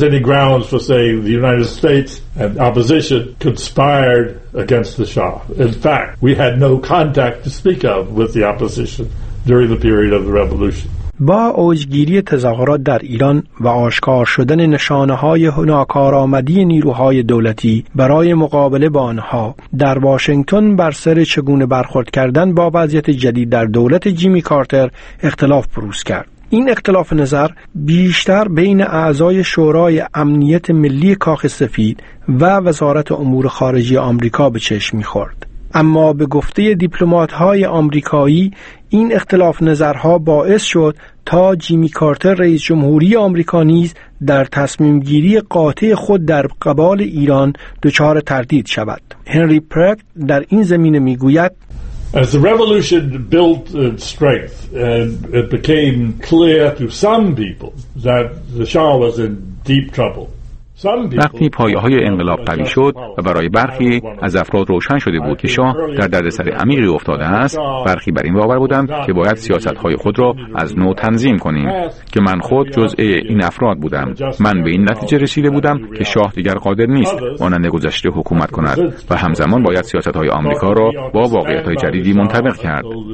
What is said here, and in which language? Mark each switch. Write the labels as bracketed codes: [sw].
[en] Grounds for saying the United States and opposition conspired against the Shah. In fact, we had no contact to speak of with the opposition during the period of the revolution. [fa] با اوجگیری تظاهرات در ایران و آشکار شدن نشانه‌های ناکارآمدی نیروهای دولتی برای مقابله با آنها در واشنگتن، بر سر چگونه برخورد کردن با وضعیت جدید در دولت جیمی کارتر اختلاف بروز کرد. این اختلاف نظر بیشتر بین اعضای شورای امنیت ملی کاخ سفید و وزارت امور خارجه آمریکا به چشم می‌خورد. اما به گفته دیپلمات‌های آمریکایی، این اختلاف نظرها باعث شد تا جیمی کارتر رئیس جمهوری آمریکا نیز در تصمیم گیری قاطع خود در قبال ایران دچار تردید شود. هنری پرکت در این زمینه می‌گوید: [en] As the revolution built in strength and it became clear to some people that the Shah was in deep trouble, [fa] وقتی پایه‌های انقلاب قوی شد و برای برخی از افراد روشن شده بود که شاه در دردسر عمیقی افتاده است، برخی بر این باور بودند که باید سیاست‌های خود را از نو تنظیم کنیم، که من خود جزء این افراد بودم. من به این نتیجه رسیده بودم که شاه دیگر قادر نیست مانند گذشته حکومت کند و همزمان باید سیاست‌های آمریکا را با واقعیت‌های جدیدی منطبق کرد.